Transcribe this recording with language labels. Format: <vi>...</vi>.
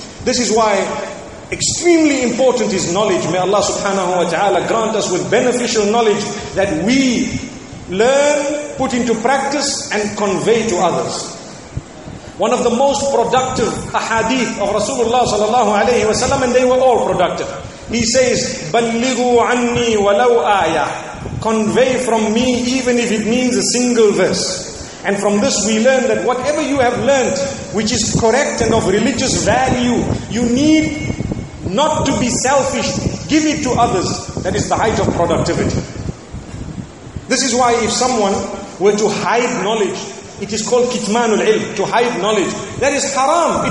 <en>This is why extremely important is knowledge. May Allah subhanahu wa ta'ala grant us with beneficial knowledge that we learn, put into practice, and convey to others. One of the most productive ahadith of Rasulullah sallallahu alayhi wa sallam, and they were all productive.</en> <ar>He says, بَلِّغُوا عَنِّي وَلَوْ آيَةً.</ar> <en>Convey from me even if it means a single verse. And from this we learn that whatever you have learned, which is correct and of religious value, you need not to be selfish. Give it to others. That is the height of productivity. This is why if someone were to hide knowledge, it is called kitmanul ilm, to hide knowledge. That is haram.</en>